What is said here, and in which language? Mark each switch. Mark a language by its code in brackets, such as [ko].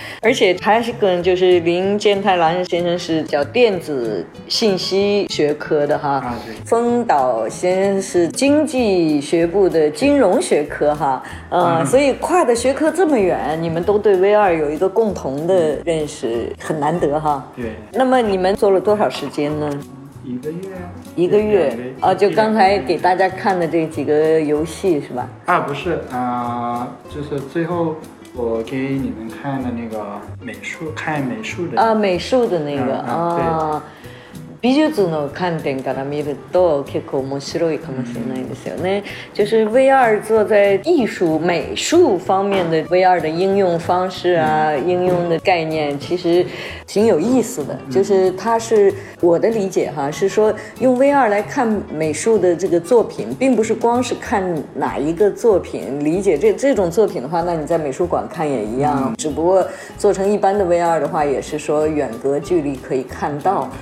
[zh] 而且他就是林健太郎先生是叫电子信息学科的哈，丰岛先生是经济学部的金融学科哈，所以跨的学科这么远，你们都对 VR 有一个共同的认识，很难得哈。对。那么你们做了多少时间呢？一个月啊，就刚才给大家看的这几个游戏是吧？啊，不是啊，就是最后。我给你们看的那个美术，看美术的啊，美术的那个啊， [ja] 美術の観点から見ると結構面白いかもしれないですよね。 [zh] 就是 VR 做在艺术美术方面的 VR 的应用方式啊，应用的概念其实挺有意思的。就是它是我的理解哈，是说用 VR 来看美术的这个作品，并不是光是看哪一个作品理解这种作品的话，那你在美术馆看也一样，只不过做成一般的 VR 的话，也是说远隔距离可以看到。